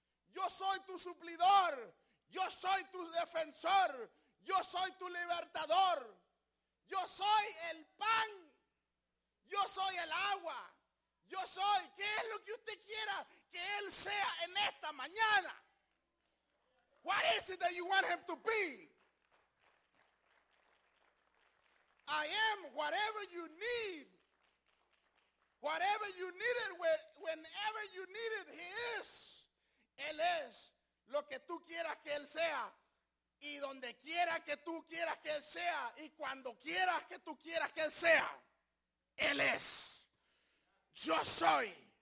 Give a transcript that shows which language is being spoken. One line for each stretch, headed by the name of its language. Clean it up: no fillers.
Spanish: Yo soy tu suplidor. Yo soy tu defensor. Yo soy tu libertador. Yo soy el pan. Yo soy el agua. Yo soy. ¿Qué es lo que usted quiera que él sea en esta mañana?
English: What is it that you want him to be? I am whatever you need. Whatever you needed, whenever you needed, he is.
Spanish: Él es lo que tú quieras que él sea. Y donde quiera que tú quieras que él sea. Y cuando quieras que tú quieras que él sea. Él es. Yo soy.